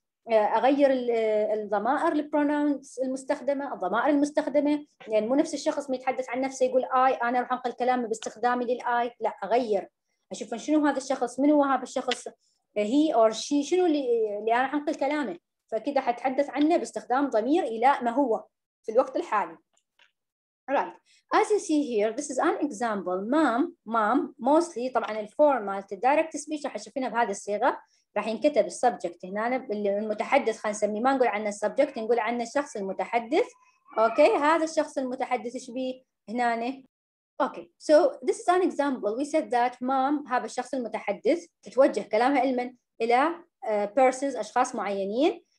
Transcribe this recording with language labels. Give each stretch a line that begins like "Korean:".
Arabic: اغير الضمائر للبرونونس المستخدمه, الضمائر المستخدمه, لان يعني مو نفس الشخص ما يتحدث عن نفسه يقول اي, انا راح انقل كلامي باستخدامي للاي, لا اغير اشوف شنو هذا الشخص, من هو هذا الشخص,
English: he or she,
Arabic: شنو اللي انا راح انقل كلامه, فكذا حتحدث عنه باستخدام ضمير الى ما هو في الوقت الحالي.
English: Right. As you see here, this is an example. Mom, mostly,
Arabic: طبعا الفورم مالت الدايركت سبيتش راح تشوفينها بهذه الصيغه, راح ينكتب السبجكت هنا المتحدث, خلينا نسميه, ما نقول عنه السبجكت, نقول عنه الشخص المتحدث. اوكي, هذا الشخص المتحدث ايش بيه هنا؟ اوكي,
English: so this is an example, we said that ma'am,
Arabic: هذا الشخص المتحدث تتوجه كلامها لمن؟ الى بيرسونز, اشخاص معينين.